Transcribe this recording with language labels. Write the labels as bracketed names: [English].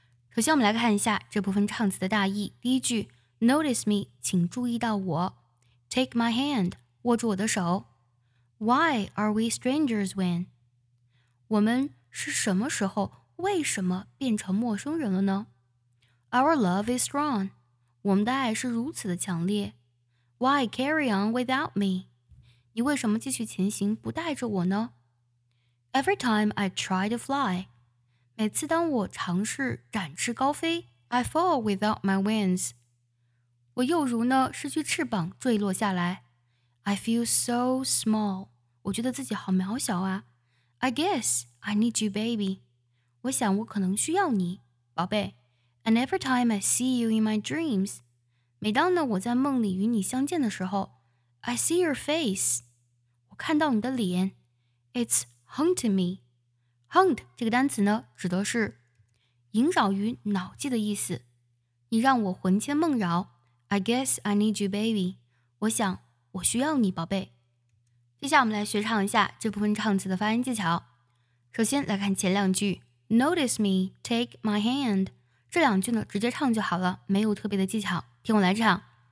[Chinese] 首先，我们来看一下这部分唱词的大意。第一句 ， [English] Notice me， [Chinese] 请注意到我。 [English] Take my hand， [Chinese] 握住我的手。 [English] Why are we strangers when？ [Chinese] 我们是什么时候，为什么变成陌生人了呢？ [English] Our love is strong. [Chinese] 我们的爱是如此的强烈。 [English] Why carry on without me? [Chinese] 你为什么继续前行不带着我呢? [English] Every time I try to fly. [Chinese] 每次当我尝试展翅高飞。 [English] I fall without my wings. [Chinese] 我又如呢失去翅膀坠落下来。 [English] I feel so small. [Chinese] 我觉得自己好渺小啊。 [English] I guess I need you, baby. [Chinese] 我想我可能需要你，宝贝。 [English] And every time I see you in my dreams, [Chinese] 每当呢我在梦里与你相见的时候 [English] ,I see your face, [Chinese] 我看到你的脸 [English] ,it's haunting me. [Chinese] Haunt 这个单词呢指的是萦绕于脑际的意思。你让我魂牵梦绕 [English] ,I guess I need you, baby. [Chinese] 我想我需要你宝贝。接下来我们来学唱一下这部分唱词的发音技巧。首先来看前两句 , [English] Notice me, take my hand. [Chinese] 这两句呢直接唱就好了没有特别的技巧听我来唱